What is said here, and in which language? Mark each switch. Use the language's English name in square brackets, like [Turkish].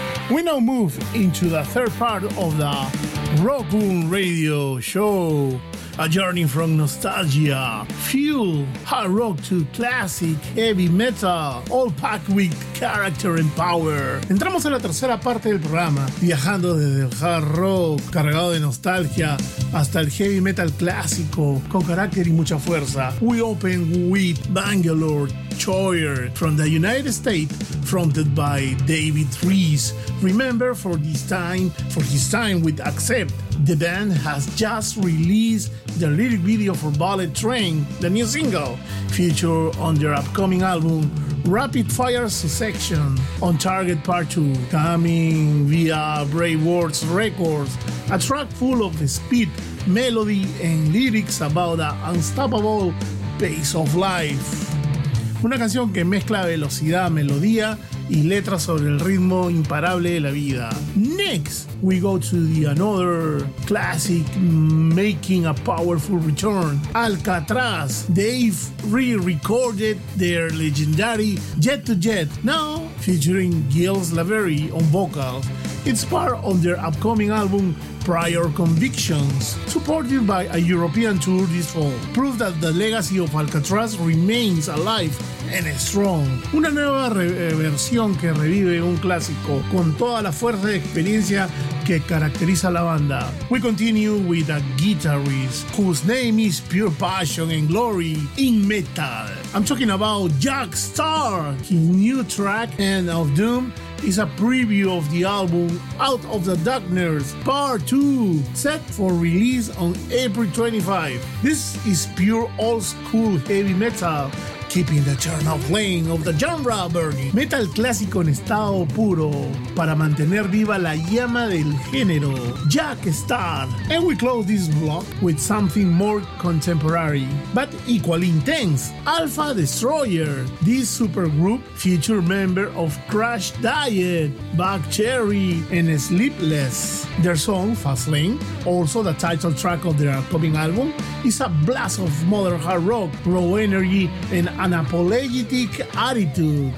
[English] We now move into the third part of the Rockoon Radio Show. A journey from nostalgia, fuel, hard rock to classic, heavy metal, all packed with character and power. [Spanish] Entramos en la tercera parte del programa, viajando desde el hard rock, cargado de nostalgia, hasta el heavy metal clásico, con carácter y mucha fuerza. [English] We open with Bangalore Choir from the United States, fronted by David Rees. Remember for his time with Accept. The band has just released the lyric video for Bullet Train, the new single, featured on their upcoming album, Rapid Fire Succession, On Target Part 2, coming via Brave Words Records, a track full of speed, melody, and lyrics about the unstoppable pace of life. [Spanish] Una canción que mezcla velocidad, melodía, y letras sobre el ritmo imparable de la vida. [English] Next, we go to the another classic, making a powerful return. Alcatraz. They've re-recorded their legendary Jet to Jet, now featuring Gilles Laveri on vocals. It's part of their upcoming album, Prior Convictions, supported by a European tour this fall. Proof that the legacy of Alcatraz remains alive and strong. [Spanish] Una nueva versión que revive un clásico con toda la fuerza de experiencia que caracteriza a la banda. [English] We continue with a guitarist whose name is Pure Passion and Glory in Metal. I'm talking about Jack Starr. His new track, End of Doom, is a preview of the album Out of the Darkness Part 2, set for release on April 25. This is pure old school heavy metal, keeping the eternal flame of the genre burning. [Spanish] Metal clásico en estado puro, para mantener viva la llama del género. [English] Jack Starr. And we close this block with something more contemporary, but equally intense. Alpha Destroyer. This supergroup feature member of Crash Diet, Buck Cherry, and Sleepless. Their song, Fastlane, also the title track of their upcoming album, is a blast of modern hard rock, raw energy, and an apologetic attitude.